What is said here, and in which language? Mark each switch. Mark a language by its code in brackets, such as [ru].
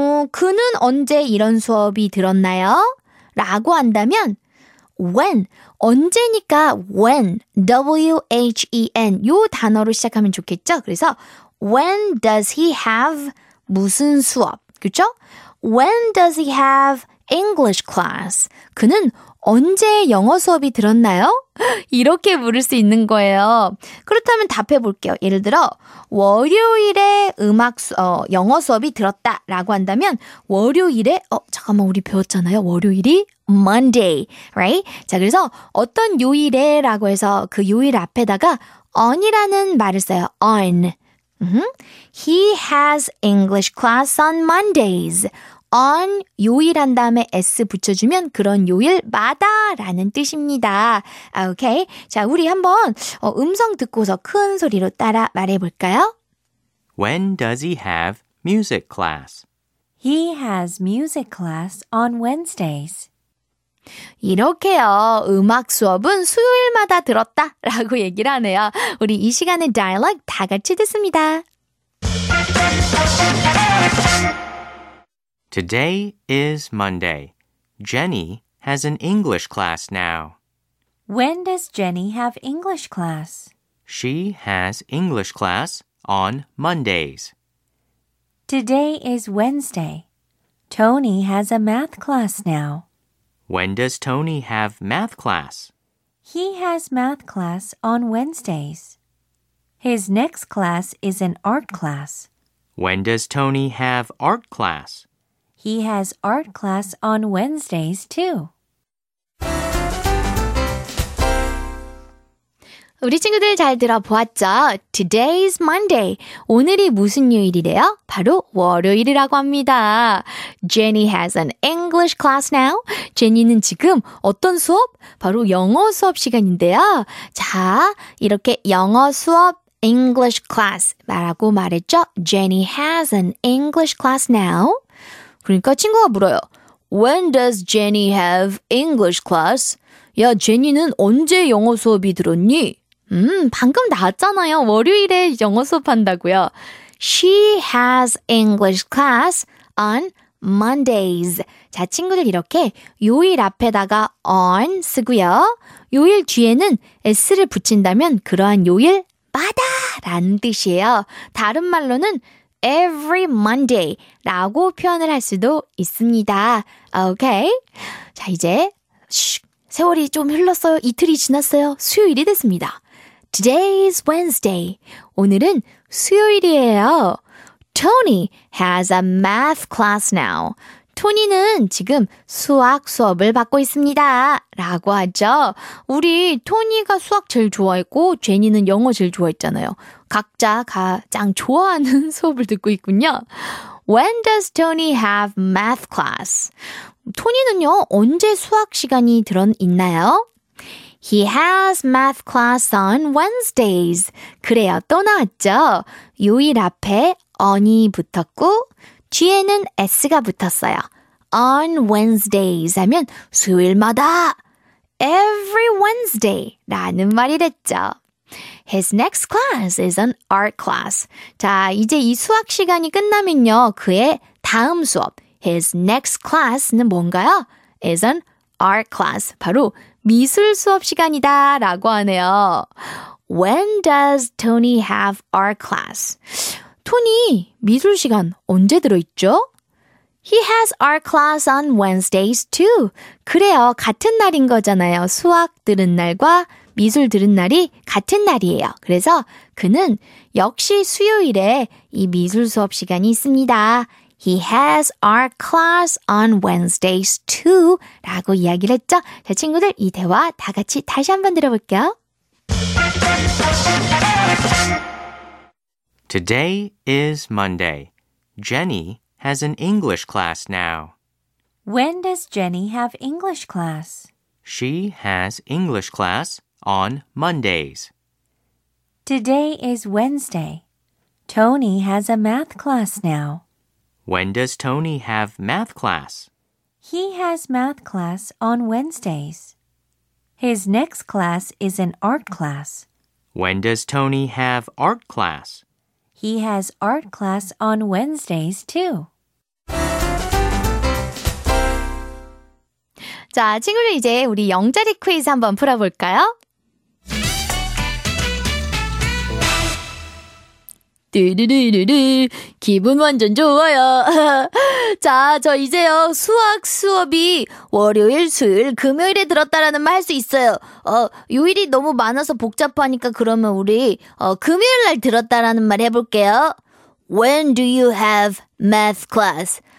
[ko] 그는 언제 이런 수업이 들었나요? 라고 한다면 when, 언제니까 when, W-H-E-N 요 단어로 시작하면 좋겠죠? 그래서 [en] when does he have [ko] 무슨 수업, 그렇죠? [en] When does he have English class? [ko] 그는 언제 영어 수업이 들었나요? 이렇게 물을 수 있는 거예요. 그렇다면 답해볼게요. 예를 들어 월요일에 영어 수업이 들었다라고 한다면 월요일에 잠깐만 우리 배웠잖아요. 월요일이 [en] Monday, right? [ko] 자, 그래서 어떤 요일에 라고 해서 그 요일 앞에다가 on이라는 말을 써요. [en] on. He has English class on Mondays. [ko] on 요일 한 다음에 s 붙여주면 그런 요일마다 라는 뜻입니다. 아, 오케이. 자, 우리 한번 음성 듣고서 큰 소리로 따라 말해볼까요? [en] When does he have music class? He has music class on Wednesdays. [ko] 이렇게요. 음악 수업은 수요일마다 들었다 라고 얘기를 하네요. 우리 이 시간의 dialogue 다 같이 듣습니다. [en] Today is Monday. Jenny has an English class now. When does Jenny have English class? She has English class on Mondays. Today is Wednesday. Tony has a math class now. When does Tony have math class? He has math class on Wednesdays. His next class is an art class. When does Tony have art class? He has art class on Wednesdays, too. [ko] 우리 친구들 잘 들어보았죠? [en] Today's Monday. [ko] 오늘이 무슨 요일이래요? 바로 월요일이라고 합니다. [en] Jenny has an English class now. [ko] Jenny는 지금 어떤 수업? 바로 영어 수업 시간인데요. 자, 이렇게 영어 수업 [en] English class [ko] 라고 말했죠? [en] Jenny has an English class now. [ko] 그러니까 친구가 물어요. [en] When does Jenny have English class? [ko] 야, Jenny는 언제 영어 수업이 들었니? 방금 나왔잖아요. 월요일에 영어 수업한다고요. [en] She has English class on Mondays. [ko] 자, 친구들 이렇게 요일 앞에다가 on 쓰고요. 요일 뒤에는 s를 붙인다면 그러한 요일마다 라는 뜻이에요. 다른 말로는 [en] every Monday [ko] 라고 표현을 할 수도 있습니다. 오케이. 자, 이제 세월이 좀 흘렀어요. 이틀이 지났어요. 수요일이 됐습니다. [en] Today is Wednesday. [ko] 오늘은 수요일이에요. [en] Tony has a math class now. [ko] 토니는 지금 수학 수업을 받고 있습니다. 라고 하죠. 우리 토니가 수학 제일 좋아했고 제니는 영어 제일 좋아했잖아요. 각자 가장 좋아하는 수업을 듣고 있군요. [en] When does Tony have math class? [ko] 토니는요, 언제 수학 시간이 들어있나요? [en] He has math class on Wednesdays. [ko] 그래요, 또 나왔죠? 요일 앞에 on이 붙었고 뒤에는 s가 붙었어요. [en] On Wednesdays [ko] 하면 수요일마다 [en] every Wednesday [ko] 라는 말이 됐죠. [en] His next class is an art class. [ko] 자, 이제 이 수학 시간이 끝나면요. 그의 다음 수업, [en] his next class [ko] 는 뭔가요? [en] Is an art class. [ko] 바로 미술 수업 시간이다 라고 하네요. [en] When does Tony have art class? [ko] 토니 미술 시간 언제 들어있죠? [en] He has art class on Wednesdays too. [ko] 그래요. 같은 날인 거잖아요. 수학 들은 날과 미술 들은 날이 같은 날이에요. 그래서 그는 역시 수요일에 이 미술 수업 시간이 있습니다. [en] He has art class on Wednesdays too. [ko] 라고 이야기를 했죠. 자, 친구들 이 대화 다 같이 다시 한번 들어볼게요. [en] Today is Monday. Jenny has an English class now. When does Jenny have English class? She has English class on Mondays. Today is Wednesday. Tony has a math class now. When does Tony have math class? He has math class on Wednesdays. His next class is an art class. When does Tony have art class? He has art class on Wednesdays, too. [ko] 자, 친구들 이제 우리 영자리 퀴즈 한번 풀어볼까요? Du-du-du-du-du. 기분 완전 좋아요. 자, 저 이제요. 수학 수업이 월요일, 수요일, 금요일에 들었다라는 말 할 수 있어요. 요일이 너무 많아서 복잡하니까 그러면 우리 금요일 날 들었다라는 말 해볼게요. [en] When do you have math class?